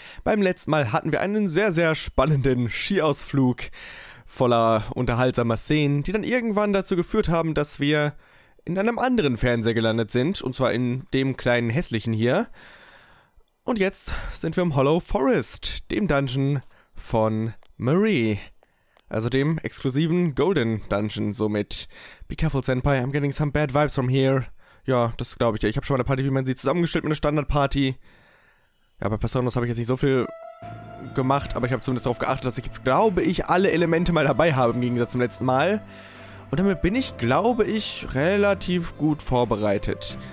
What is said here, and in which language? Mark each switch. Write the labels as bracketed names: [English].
[German] Beim letzten Mal hatten wir einen sehr, sehr spannenden Skiausflug voller unterhaltsamer Szenen, die dann irgendwann dazu geführt haben, dass wir in einem anderen Fernseher gelandet sind, und zwar in dem kleinen hässlichen hier. Und jetzt sind wir im Hollow Forest, dem Dungeon von Marie. Also dem exklusiven Golden Dungeon somit. [English] Be careful, Senpai, I'm getting some bad vibes from here. [German] Ja, das glaube ich dir. Ich habe schon mal eine Party, wie man sieht, zusammengestellt mit einer Standardparty. Ja, bei Personas habe ich jetzt nicht so viel gemacht, aber ich habe zumindest darauf geachtet, dass ich jetzt, glaube ich, alle Elemente mal dabei habe im Gegensatz zum letzten Mal. Und damit bin ich, glaube ich, relativ gut vorbereitet.